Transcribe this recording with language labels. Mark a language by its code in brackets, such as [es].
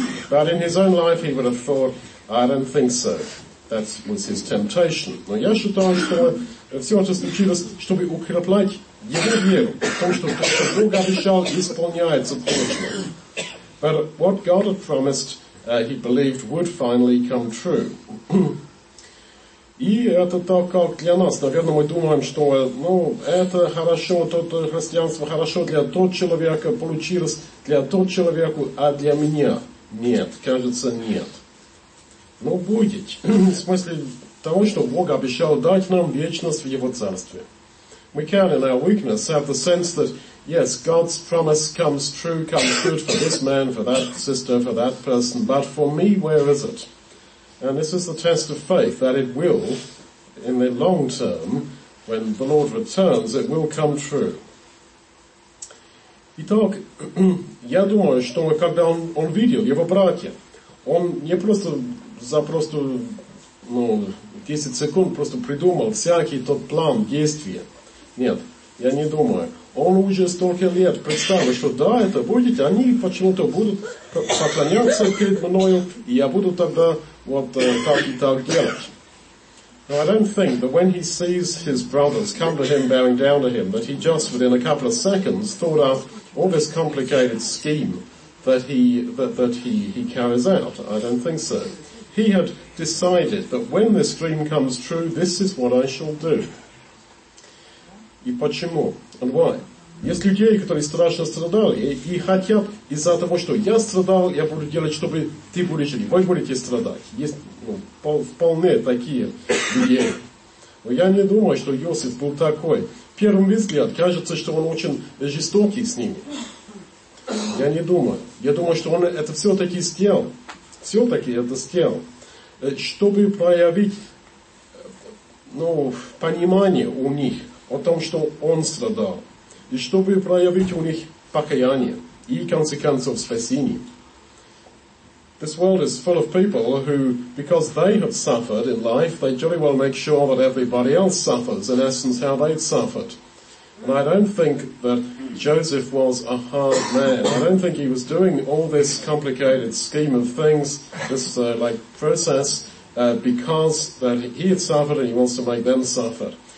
[en] But in his own life he would have thought, I don't think so. That was his temptation. [ru] Но я считаю, что все это случилось, чтобы укреплять его веру в том, что то, что Бог обещал, исполняется точно. [en] But what God had promised, he believed, would finally come true. [ru] И это так, как для нас. Наверное, мы думаем, что ну, это хорошо, то христианство хорошо для того человека, получилось для того человека, а для меня нет, кажется, нет. Но будет, в смысле того, что Бог обещал дать нам вечность в Его Царстве. [en] We can, in our weakness, have the sense that, yes, God's promise comes true, comes good for this man, for that sister, for that person, but for me, where is it? And this is the test of faith, that it will, in the long term, when the Lord returns, it will come true. [ru] Итак, я думаю, что когда он видел его братья, он не просто за просто, ну, 10 секунд просто придумал всякий тот план действия. Нет, я не думаю. Он уже столько лет представил, что да, это будет, они почему-то будут поклоняться перед мною, и я буду тогда вот так и так делать. [en] I don't think that when he sees his brothers come to him, bowing down to him, that he just within a couple of seconds thought of all this complicated scheme that he carries out. I don't think so. He had decided that when this dream comes true, this is what I shall do. [ru] И почему? [en] And why? [ru] Есть люди, которые страшно страдали и хотят из-за того, что я страдал, я буду делать, чтобы ты будешь жить. Вы будете страдать. Есть, ну, вполне такие люди. Но я не думаю, что Иосиф был такой. В первом взгляд кажется, что он очень жестокий с ними. Я не думаю. Я думаю, что он это все-таки сделал. Все-таки это сделал. Чтобы проявить, ну, понимание у них о том, что он страдал. И чтобы проявить у них покаяние. И, в конце концов, спасение. [en] This world is full of people who, because they have suffered in life, they jolly well make sure that everybody else suffers, in essence, how they've suffered. And I don't think that Joseph was a hard man. I don't think he was doing all this complicated scheme of things, this like process, because that he had suffered and he wants to make them suffer.